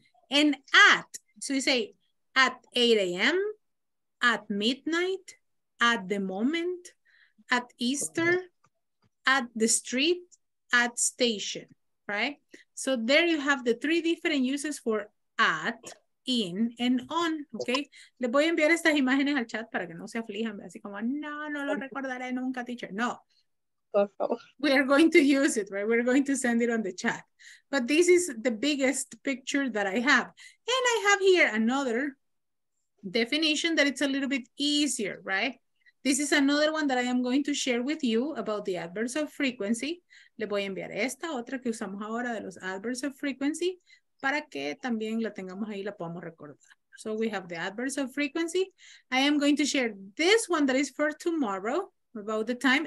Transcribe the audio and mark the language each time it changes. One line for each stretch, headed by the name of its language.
English: And at, so you say at 8 a.m., at midnight, at the moment, at Easter, at the street, at station, right? So there you have the three different uses for at, in, and on, okay?
Spanish: Les voy a enviar estas imágenes al chat para que no se aflijan, así como, no, no lo recordaré nunca, teacher.
English: No. We are going to use it, right? We're going to send it on the chat. But this is the biggest picture that I have. And I have here another definition that it's a little bit easier, right? This is another one that I am going to share with you about the adverbs of frequency.
Spanish: Le voy a enviar esta otra que usamos ahora de los adverbs of frequency para que también la tengamos ahí y la podamos recordar.
English: So we have the adverbs of frequency. I am going to share this one that is for tomorrow about the time.